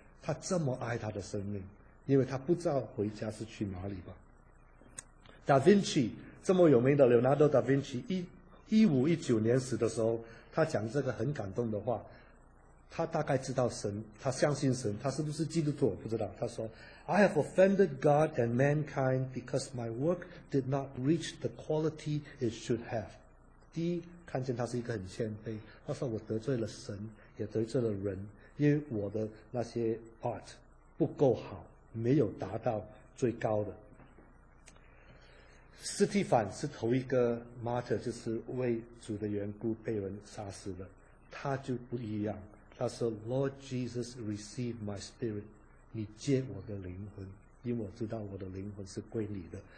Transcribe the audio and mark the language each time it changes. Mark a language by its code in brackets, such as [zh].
[zh] 他这么爱他的生命，因为他不知道回家是去哪里吧。 Da Vinci 这么有名的 Leonardo da Vinci 1519年死的时候，他讲这个很感动的话，他大概知道神，他相信神，他是不是基督徒我不知道。他说 [en] I have offended God and mankind because my work did not reach the quality it should have。 [zh] 第一，看见他是一个很谦卑，他说我得罪了神也得罪了人，因为我的那些 art 不够好，没有达到最高的。斯蒂凡是头一个 martyr， 就是为主的缘故被人杀死的，他就不一样，他说 [en] Lord Jesus receive my spirit， [zh] 你接我的灵魂，因为我知道我的灵魂是归你的。